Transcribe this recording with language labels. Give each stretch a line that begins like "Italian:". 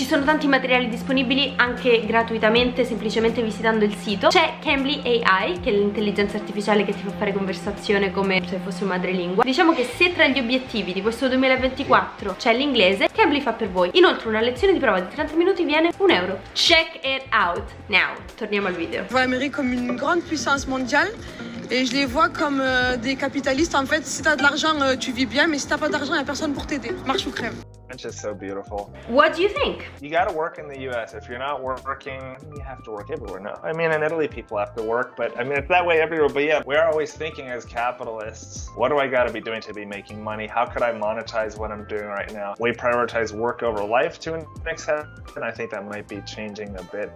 Italian: Ci sono tanti materiali disponibili anche gratuitamente semplicemente visitando il sito. C'è Cambly AI, che è l'intelligenza artificiale che ti fa fare conversazione come se fosse madrelingua. Diciamo che se tra gli obiettivi di questo 2024 c'è l'inglese, Cambly fa per voi. Inoltre una lezione di prova di 30 minuti viene 1 euro.
English: Check it out now.
Italian: Torniamo al video.
French: Vois l'Amérique comme une grande puissance mondiale et je les vois comme des capitalistes. En fait, si t'as de l'argent, tu vis bien, mais si t'as pas d'argent, y a personne pour t'aider. Marche ou crève.
English: It's just so beautiful. What do you think? You gotta work in the US. If you're not working, you have to work everywhere. No, I mean, in Italy, people have to work, but I mean, it's that way everywhere. But yeah, we're always thinking as capitalists, what do I gotta be doing to be making money? How could I monetize what I'm doing right now? We prioritize work over life to an extent, and I think that might be changing a bit.